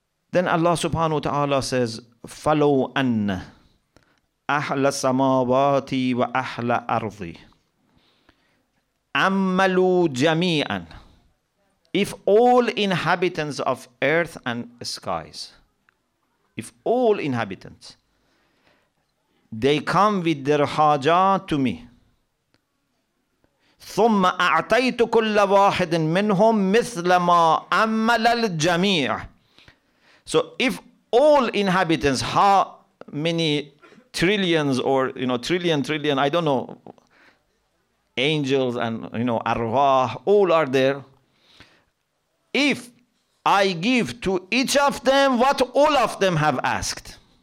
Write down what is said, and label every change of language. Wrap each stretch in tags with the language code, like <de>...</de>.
<en>Then Allah subhanahu wa ta'ala says,</en> <ar>فَلَوْ أَنَّ أَحْلَ سَمَاوَاتِي وَأَحْلَ أَرْضِي أَمَّلُوا جَمِيعًا,</ar> <en>if all inhabitants of earth and skies, if all inhabitants, they come with their haja to me.</en> <ar>ثُمَّ أَعْطَيْتُ كُلَّ وَاحِدٍ مِّنْهُمْ مِثْلَ مَا أَمَّلَ الْجَمِيعِ,</ar> <en>so if all inhabitants, how many trillions or, you know, trillion, I don't know, angels and, you know, arwah, all are there. If I give to each of them what all of them have asked.</en>